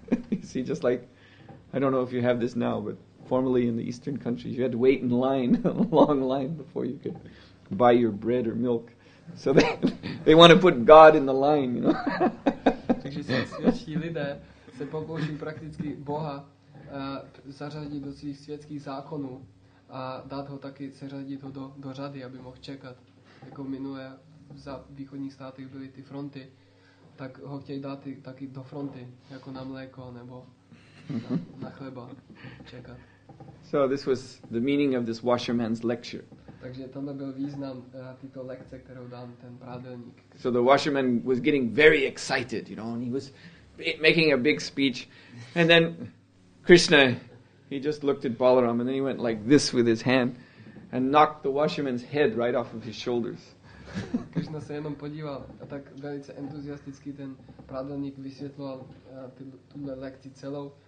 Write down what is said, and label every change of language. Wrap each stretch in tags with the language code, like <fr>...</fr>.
<en>You see, just like, I don't know if you have this now, but formerly in the eastern countries, you had to wait in line, a long line, before you could buy your bread or milk. So they want to put God in the line, you know.</en> <cs>Takže světští lidé se pokouší prakticky Boha zařadit do svých světských zákonů a dát ho taky seřadit ho do řady, aby mohl čekat, jako minulé. Za východních státech byly ty fronty, tak ho chtějí dát taky do fronty, jako na mléko nebo na chleba čekat.</cs> <en>So this was the meaning of this washerman's lecture.</en> <cs>Takže tam byl význam této lekce, kterou dal ten prádelník.</cs> <en>So the washerman was getting very excited, you know, and he was making a big speech, and then Krishna, he just looked at Balaram, and then he went like this with his hand, and knocked the washerman's head right off of his shoulders.</en> <cs>Krishna se jenom podíval a tak velice entuziasticky ten prádelník vysvětloval tuhle lekci celou.</cs>